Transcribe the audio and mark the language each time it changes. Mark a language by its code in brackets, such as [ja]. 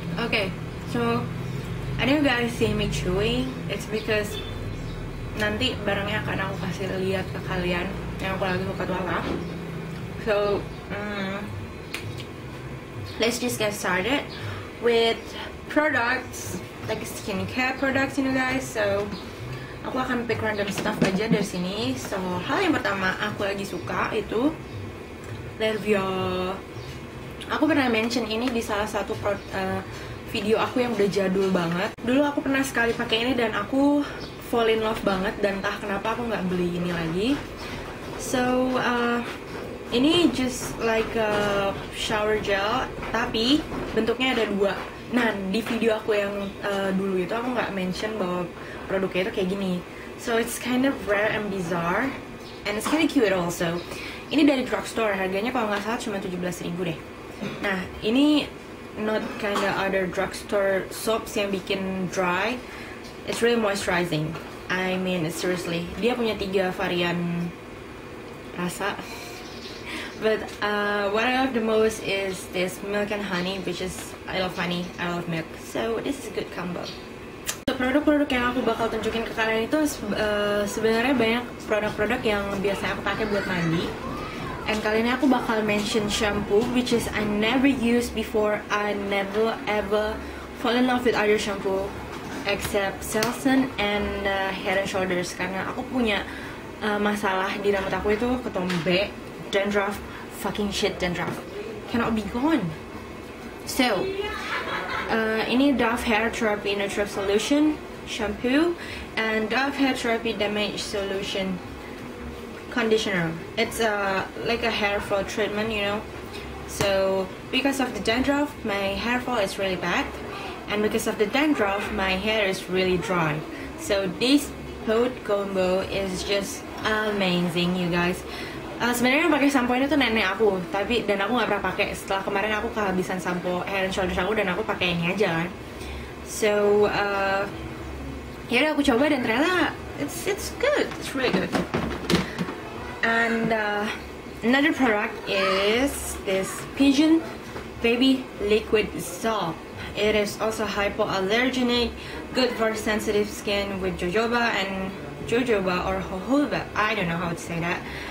[en] Okay, so, I know you guys see me chewing. It's because [id] nanti barangnya akan aku kasih lihat ke kalian yang aku lagi buka tuala. [en] So, let's just get started with products, like skincare products, you know guys. [id] So, aku akan pick random stuff aja dari sini. So, hal yang pertama aku lagi suka itu Lervio. Aku pernah mention ini di salah satu video aku yang udah jadul banget. Dulu aku pernah sekali pakai ini dan aku fall in love banget. Dan entah kenapa aku gak beli ini lagi. So, ini [en] just like a shower gel, [id] tapi bentuknya ada dua. Nah, di video aku yang dulu itu aku gak mention bahwa produknya itu kayak gini. [en] So, it's kind of rare and bizarre, and it's kind of cute also. [id] Ini dari drugstore, harganya kalau gak salah cuma 17.000 deh. [en] Nah, ini not kind of other drugstore soaps yang bikin dry. It's really moisturizing. I mean, seriously. [id] Dia punya 3 varian rasa. [en] But what I love the most is this milk and honey, which is, I love honey, I love milk. So this is a good combo. [id] So produk-produk yang aku bakal tunjukin ke kalian itu sebenarnya banyak produk-produk yang biasanya aku pakai buat mandi. [en] And [id] kali ini aku bakal [en] mention shampoo, which is I never used before. I never ever fall in love with other shampoo except Selsun and Head & Shoulders. [id] Karena aku punya masalah di rambut aku itu ketombe. [en] Dandruff, fucking shit dandruff, cannot be gone. So, ini Dove Hair Therapy Natural Solution Shampoo and Dove Hair Therapy Damage Solution Conditioner. It's like a hair fall treatment, you know. So, because of the dandruff, my hair fall is really bad. And because of the dandruff, my hair is really dry. So, this whole combo is just amazing, you guys. [id] Sebenarnya yang pakai sampo ini tuh nenek aku, tapi dan aku nggak pernah pakai setelah kemarin aku kehabisan sampo Head & Shoulders aku dan aku pakai ini aja kan. So ya udah aku coba dan ternyata [en] it's good, it's really good. And another product is this Pigeon Baby Liquid Soap. It is also hypoallergenic, good for sensitive skin with jojoba or jojoba, I don't know how to say that.